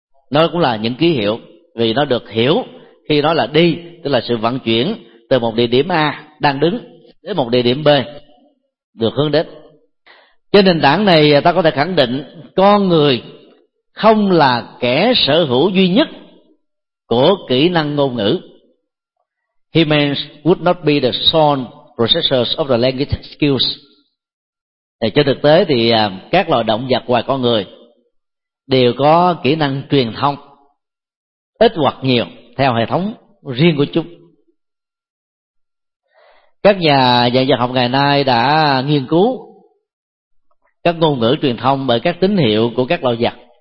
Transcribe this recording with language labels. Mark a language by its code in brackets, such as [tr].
[vi] Nó cũng là những ký hiệu, vì nó được hiểu khi nói là đi, tức là sự vận chuyển từ một địa điểm A đang đứng đến một địa điểm B được hướng đến. Trên nền tảng này ta có thể khẳng định con người không là kẻ sở hữu duy nhất của kỹ năng ngôn ngữ. [en] Humans would not be the sole possessors of the language skills. [vi] Thì trên thực tế thì các loài động vật ngoài con người đều có kỹ năng truyền thông ít hoặc nhiều theo hệ thống riêng của chúng. Các nhà dạy dạy học ngày nay đã nghiên cứu các ngôn ngữ truyền thông bởi các tín hiệu của các loài vật.